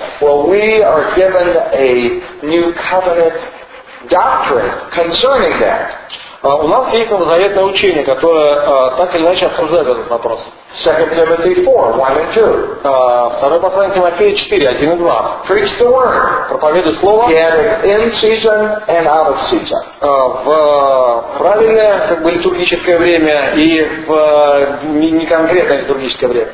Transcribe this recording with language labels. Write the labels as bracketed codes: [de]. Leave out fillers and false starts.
[en] Well, we are given a new covenant doctrine concerning that. [ru] У нас есть новозаветное учение, которое так или иначе обсуждает этот вопрос. [en] 2 Timothy 4:1-2. [ru] Второе послание Тимофея 4:1-2. [en] Preach the word. [ru] Проповедуй слово. [en] Get it in season and out of season. [ru] В правильное как бы литургическое время и в не конкретное литургическое время.